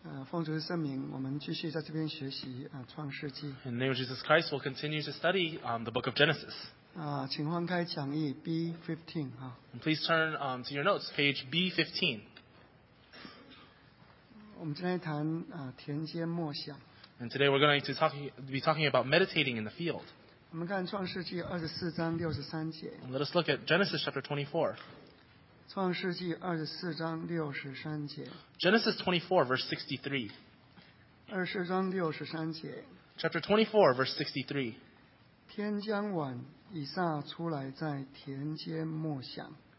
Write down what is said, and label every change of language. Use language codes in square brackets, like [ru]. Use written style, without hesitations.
[zh] 奉主的圣名，我们继续在这边学习创世纪。 [en] In the name of Jesus Christ, we'll continue to study the book of Genesis. [zh] 请翻开讲义 B15. [en] Please turn to your notes, page B15. [zh] 我们今天谈田间默想。 [en] And today we're going to be talking about meditating in the field. [zh] 我们看创世纪二十四章六十三节。 [en] Let us look at Genesis chapter 24. [zh] 创世纪二十四章六十三节。 [en] Genesis 24 verse 63。 [zh] 二十四章六十三节。 [en] Chapter 24 verse 63。 [zh] 天将晚，以撒出来在田间默想。